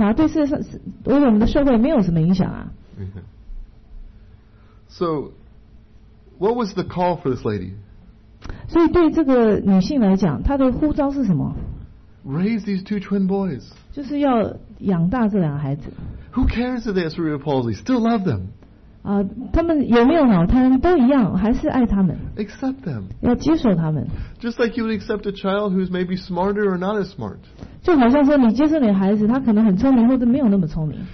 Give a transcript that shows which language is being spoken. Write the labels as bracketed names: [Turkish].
[Chinese] 所以呢，我就引用他们这些官员的说法。他说，因为呢，这些犯了这些刑罚，对我们的社会没有什么影响啊。 [English] So, what was the call for this lady? [Chinese] 所以对这个女性来讲，她的呼召是什么？ [English] Raise these two twin boys. [Chinese] 就是要养大这两个孩子。 [English] Who cares if they have cerebral palsy? Still love them. [Chinese] 他们有没有脑瘫都一样，还是爱他们。 [English] Accept them. [Chinese] 要接受他们。 [English] Just like you would accept a child who's maybe smarter or not as smart. [Chinese] 就好像说你接受你的孩子，他可能很聪明，或者没有那么聪明。